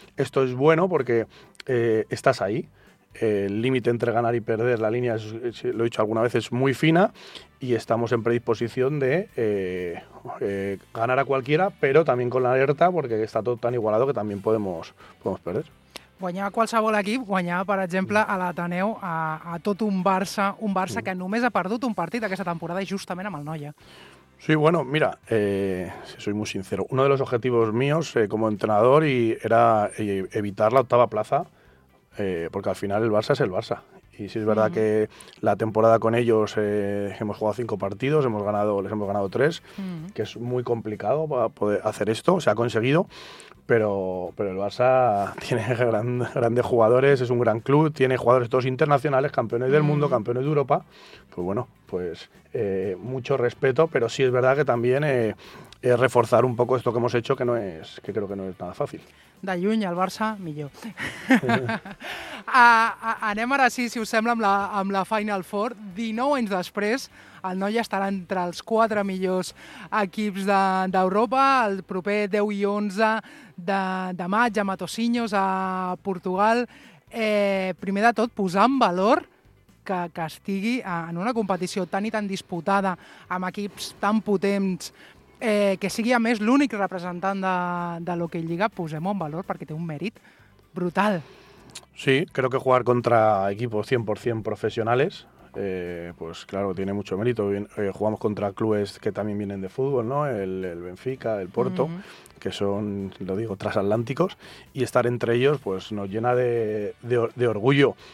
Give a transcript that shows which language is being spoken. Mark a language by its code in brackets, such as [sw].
[es] Esto es bueno porque estás ahí. El límite entre ganar y perder, la línea, lo he dicho alguna vez, es muy fina y estamos en predisposición de ganar a cualquiera, pero también con la alerta, porque está todo tan igualado que también podemos perder. [ca] Guanyar a qualsevol equip, guanyar, per exemple, a l'Ateneu, a tot un Barça que només ha perdut un partit aquesta temporada i justament amb el Noia. [es] Sí, bueno, mira, si soy muy sincero, uno de los objetivos míos como entrenador era evitar la octava plaza, porque al final el Barça es el Barça. Y sí es verdad que la temporada con ellos hemos jugado 5 partidos, les hemos ganado 3, que es muy complicado para poder hacer esto, se ha conseguido. Pero el Barça tiene grandes jugadores, es un gran club, tiene jugadores todos internacionales, campeones del mundo, campeones de Europa. Pues bueno, pues mucho respeto, pero sí es verdad que también reforzar un poco esto que hemos hecho, que creo que no es nada fácil. [ca] De lluny, el Barça, millor. anem ara sí, si us sembla, amb la Final Four. 19 anys després, el Noia estarà entre els 4 millors equips d'Europa. El proper 10 i 11 de maig a Matosinhos, a Portugal. Primer de tot, posar en valor que estigui en una competició tan i tan disputada, amb equips tan potents, que sigui, a més, l'únic representant de l'Hockey Lliga, posem-ho en valor perquè té un mèrit brutal. [es] Sí, creo que jugar contra equipos 100% profesionales pues claro, tiene mucho mérito. Jugamos contra clubes que también vienen de fútbol, ¿no? El Benfica, el Porto, que son, lo digo, transatlánticos, y estar entre ellos pues nos llena de orgullo.